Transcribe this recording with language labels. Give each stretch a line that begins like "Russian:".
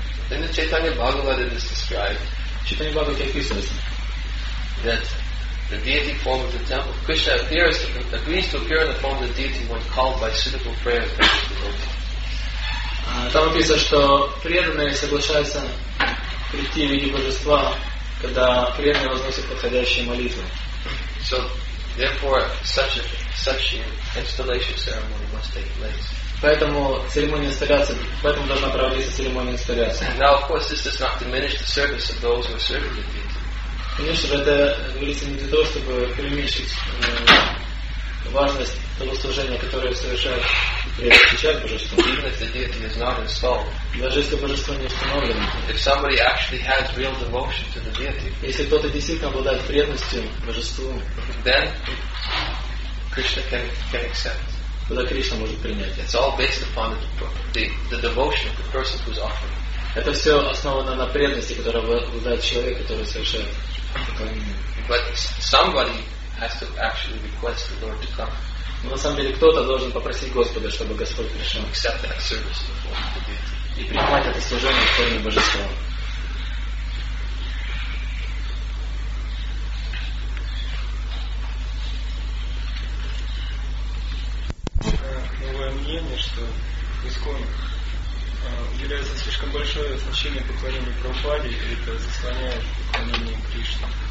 English: In the Chaitanya Bhagavad it is described Chaitanya Bhagavad says that the deity form of the temple, Krishna appears, agrees to appear in the form of the deity when called by suitable prayers by the devotee.
Russian: Там описано, что преданные соглашаются прийти в виде божества, когда преданные возносят подходящие молитвы.
English: So, therefore, such an installation ceremony must take place.
Russian: Поэтому церемония инсталляции, поэтому должна проводиться церемония инсталляции.
English: Now, of course, this does not diminish the service of those who are serving the deity.
Russian: Конечно же, это говорится не для того, чтобы преуменьшить важность того служения, которое совершают преданные божества.
English: Even if the deity is not installed.
Russian: Даже если божество не установлено.
English: If somebody actually has real devotion to the deity.
Russian: Если кто-то действительно обладает преданностью божеству,
English: then Krishna can accept.
Russian: Тогда Кришна может принять.
English: It's all based upon the devotion of the person who's offering.
Russian: Это все основано на преданности, которую обладает человек, который совершает.
English: But somebody has to actually request the Lord to come.
Russian: Но на самом деле кто-то должен попросить Господа, чтобы Господь пришел.
English: Accept that service in the form of the deity.
Russian: И принимать это служение в форме божества. Новое мнение, что ИСККОН уделяется слишком большое значение поклонению Прабхупаде, и это заслоняет поклонение Кришне.